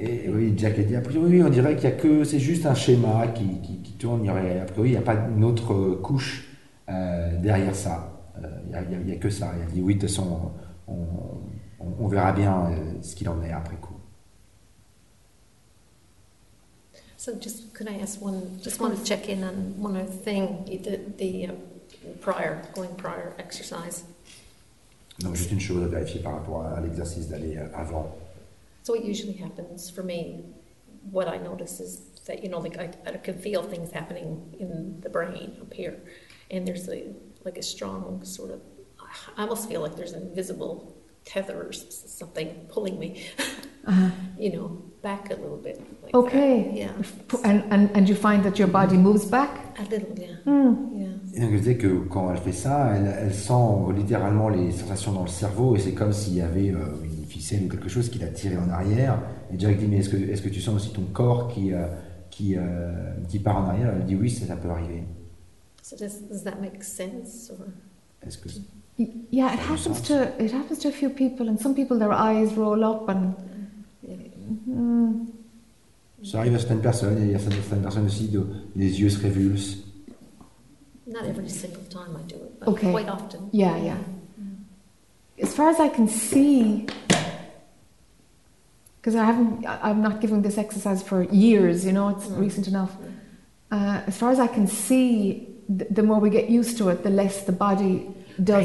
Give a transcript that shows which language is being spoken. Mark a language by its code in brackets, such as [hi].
[fr] Et oui, Jack a dit, a priori, on dirait qu'il y a que, c'est juste un schéma qui tourne, il y aurait, a priori, il n'y a pas une autre couche derrière ça. Il n'y a que ça. Il a dit, oui, de toute façon, on verra bien ce qu'il en est après coup. [en] So, just, could I ask one, just want to check in on one other thing, the going prior exercise. [fr] Donc, juste une chose à vérifier par rapport à l'exercice d'aller avant. [en] So what usually happens for me, what I notice is that, you know, like I can feel things happening in the brain up here, and there's a strong sort of, I almost feel like there's an invisible tether or something pulling me, you know, back a little bit. Like okay. That. Yeah. And you find that your body moves back? A little, yeah. Mm. Yeah. [fr] Et donc, je disais que quand elle fait ça, elle sent littéralement les sensations dans le cerveau, et c'est comme s'il y avait ficelle ou quelque chose qui l'a tiré en arrière. Et Jack dit, mais est-ce que tu sens aussi ton corps qui part en arrière? Elle dit, oui, ça peut arriver. [en] So does that make sense? Or... [fr] Est-ce que... [en] Yeah, it happens, to, it happens to a few people, and some people, their eyes roll up. And... Mm. [fr] Ça arrive à certaines personnes, et il y a certaines personnes aussi, les yeux se révulsent. [en] Not every single time I do it, but okay. Quite often. Yeah, yeah. As far as I can see, because I'm not giving this exercise for years, you know, it's mm-hmm. recent enough. As far as I can see, the more we get used to it, the less the body does